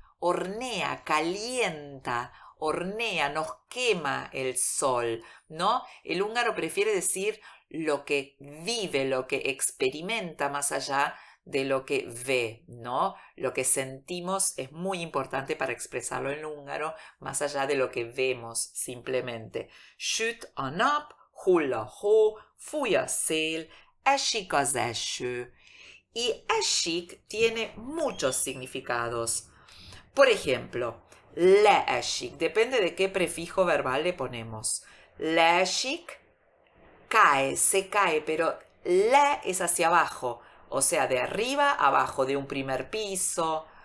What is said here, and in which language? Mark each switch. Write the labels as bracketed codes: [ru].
[es] Hornea, calienta, hornea, nos quema el sol, ¿no? El húngaro prefiere decir lo que vive, lo que experimenta más allá de lo que ve, ¿no? Lo que sentimos es muy importante para expresarlo en húngaro, más allá de lo que vemos simplemente. [hu] Süt a nap, hull a hó, fúj a szél, esik az eső. [es] Y esik tiene muchos significados. Por ejemplo, leesik, depende de qué prefijo verbal le ponemos. Leesik, cae, se cae, pero le es hacia abajo, o sea, de arriba abajo, de un primer piso,